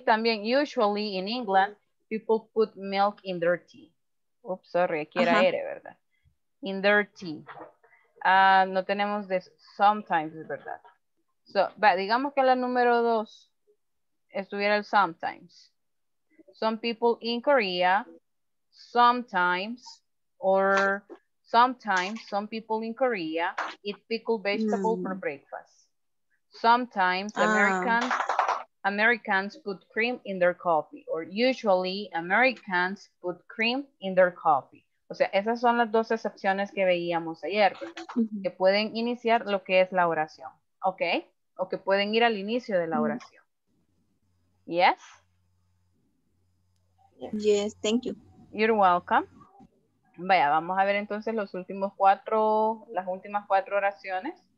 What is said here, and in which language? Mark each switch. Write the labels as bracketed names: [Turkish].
[Spanish] Sí, también [English] usually in England people put milk in their tea. Oops, sorry, [Spanish] aquí era ere, ¿verdad? [English] In their tea. [Spanish] No tenemos de sometimes, ¿verdad? So, digamos que la número 2 estuviera el sometimes. [English] Some people in Korea, sometimes, or sometimes some people in Korea eat pickled vegetable for breakfast. Sometimes Americans put cream in their coffee, or usually Americans put cream in their coffee. [Spanish] O sea, esas son las dos excepciones que veíamos ayer, que pueden iniciar lo que es la oración, ¿ok? O que pueden ir al inicio de la oración. [English] ¿Yes? Yes, thank you. You're welcome. [Spanish] Vaya, vamos a ver entonces los últimos cuatro, las últimas cuatro oraciones.